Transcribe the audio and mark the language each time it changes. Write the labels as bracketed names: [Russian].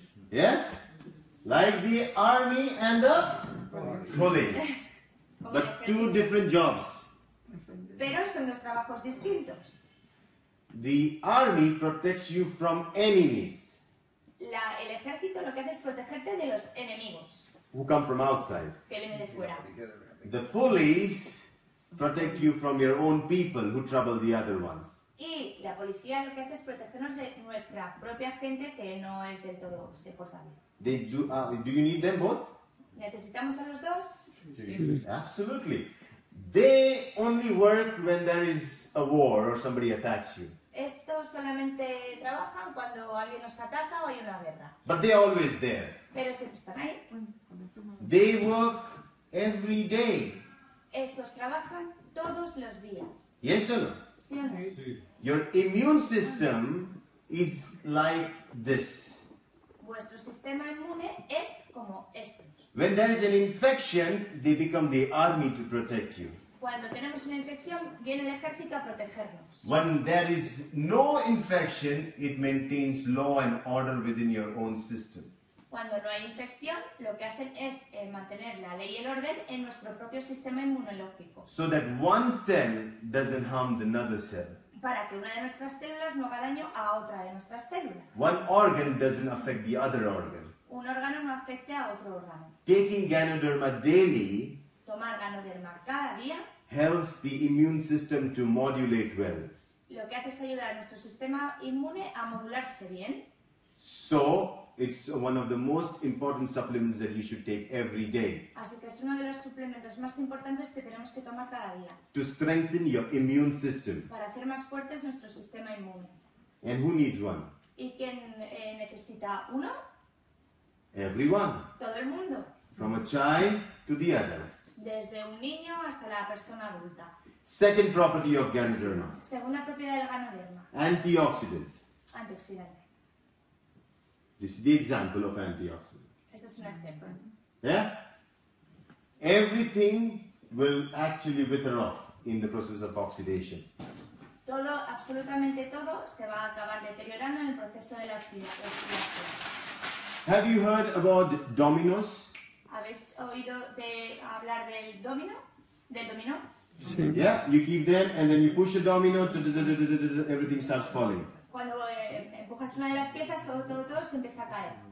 [English] Yeah? Like the army and the police. But two different jobs. [Spanish] Pero son dos trabajos distintos. [English] The army protects you from enemies. [Spanish] El ejército lo que hace es protegerte de los enemigos. [English] Who come from outside. [Spanish] Que vienen de fuera. [English] The police protect you from your own people who trouble the other ones. [Spanish] Y la policía lo que hace es protegernos de nuestra propia gente que no es del todo soportable. [English] Do you need them both? [Spanish] ¿Necesitamos a los dos? [English] Sí. Absolutely. They only work when there is a war or somebody attacks you. [Spanish] Esto solamente trabajan cuando alguien nos ataca o hay una guerra. [English] But they are always there. [Spanish] Pero siempre están ahí. [English] They work every day. [Spanish] Estos trabajan todos los días. ¿Y eso no? Sí. [English] Your immune system is like this. [Spanish] Vuestro sistema inmune es como este. [English] When there is an infection, they become the army to protect you. [Spanish] Cuando tenemos una infección, viene el ejército a protegernos. [English] When there is no infection, it maintains law and order within your own system. [Spanish] Cuando no hay infección, lo que hacen es mantener la ley y el orden en nuestro propio sistema inmunológico. [English] So that one cell doesn't harm another cell. [Spanish] Para que una de nuestras células no haga daño a otra de nuestras células. [English] One organ doesn't affect the other organ. [Spanish] Un órgano no afecte a otro órgano. [English] Taking Ganoderma daily, [Spanish] tomar Ganoderma cada día, [English] helps the immune system to modulate well. [Spanish] Lo que hace es ayudar a nuestro sistema inmune a modularse bien. [English] So, it's one of the most important supplements that you should take every day. [Spanish] Así que es uno de los suplementos más importantes que tenemos que tomar cada día. [English] To strengthen your immune system. [Spanish] Para hacer más fuertes nuestro sistema inmune. [English] And who needs one? [Spanish] ¿Y quién necesita uno? [English] Everyone. [Spanish] Todo el mundo. [English] From a child to the adult. [Spanish] Desde un niño hasta la persona adulta. [English] Second property of Ganoderma. [Spanish] Segunda propiedad del Ganoderma. [English] Antioxidant. [Spanish] Antioxidante. [English] This is the example of antioxidant. [Spanish] Este es un ejemplo. [English] Yeah? Everything will actually wither off in the process of oxidation. [Spanish] Todo, absolutamente todo, se va a acabar deteriorando en el proceso de la oxidación. [English] Have you heard about dominoes? [Spanish] ¿Habéis oído de hablar del domino? ¿Del dominó? Sí. [English] Yeah, you keep them and then you push a domino, everything starts falling. [Spanish] Cuando empujas una de las piezas, todo se empieza a caer.